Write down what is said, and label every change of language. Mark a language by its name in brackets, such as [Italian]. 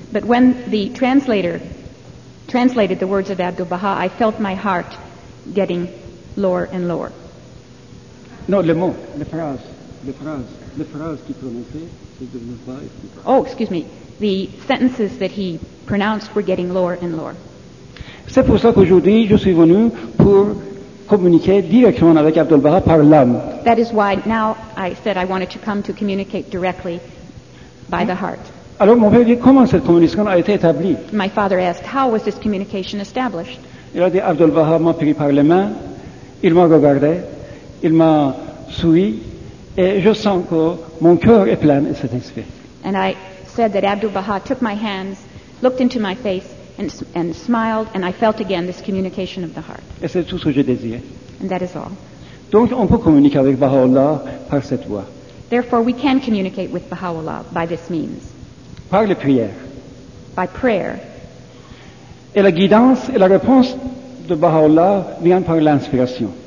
[English] But when the translator translated the words of Abdul Baha, I felt my heart getting lower and lower. [French] Non, les mots, les phrases qu'il prononçait, c'est de ne pas écouter. [English] Oh, excuse me. The sentences that he pronounced were getting lower and lower. [French] C'est pour ça qu'aujourd'hui, je suis venu pour communiquer directement avec Abdul Baha par l'âme. [English] That is why now I said I wanted to come to communicate directly by the heart. [French] Alors mon père dit, comment cette communication a été établie? [English] My father asked, how was this communication established? [French] Il a dit, Abdul Baha m'a pris par les mains, il m'a regardé, il m'a souri, et je sens que mon cœur est plein de cet esprit. [English] And I said that Abdul Baha took my hands, looked into my face, and smiled, and I felt again this communication of the heart. [French] Et c'est tout ce que je désirais. [English] And that is all. [French] Donc on peut communiquer avec Baha'u'llah par cette voie. [English] Therefore, we can communicate with Baha'u'llah by this means. [French] Par les prières. [English] By prayer. [French] Et la guidance et la réponse de Baha'u'llah vient par l'inspiration.